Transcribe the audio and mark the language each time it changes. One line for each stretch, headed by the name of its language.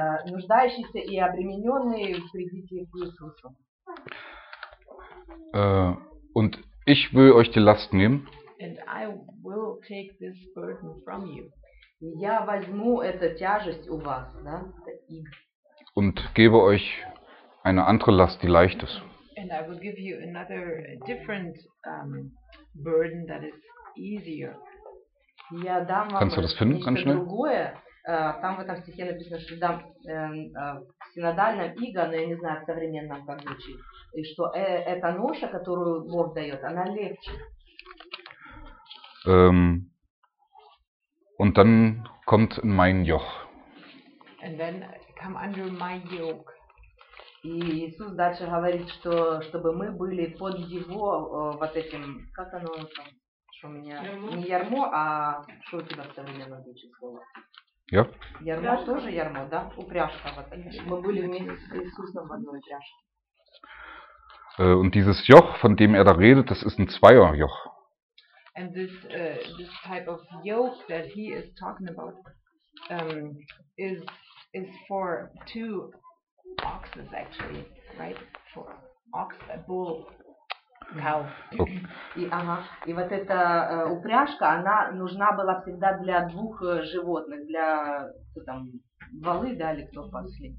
Russian: нуждающиеся и обремененные, придите к Иисусу.
German: Und ich will euch die Last nehmen.
English: And I will take this burden from you.
Russian: Я возьму эту тяжесть у вас, да?
German: Und gebe euch eine andere Last, die leicht ist.
English: And I will give you another different burden that is easier.
Russian: Я дам вам.
German: Kannst du das finden ganz schnell?
Russian: Другое. Там в этом стихе написано, что дам синодальном иго, но я не знаю, в современном как звучит. И что эта ноша, которую Бог дает, она легче.
German: Und dann kommt in mein Joch.
English: And then come under my yoke.
Russian: И Иисус дальше говорит, что чтобы мы были под его вот этим, как оно там, что у меня не ярмо, а что у тебя в современном звучит слово? Yeah. Ярмо тоже ярмо, да? Упряжка. Вот. Мы были вместе с Иисусом в одной упряжке.
German: Und dieses Joch, von dem da redet, das ist ein Zweierjoch.
English: And this this type of yoke that he is talking about is for two oxes actually, right? For ox, a bull, cow. Okay.
Russian: И вот эта упряжка, она нужна была всегда для двух животных, для кто там волы, да, или кто пасли.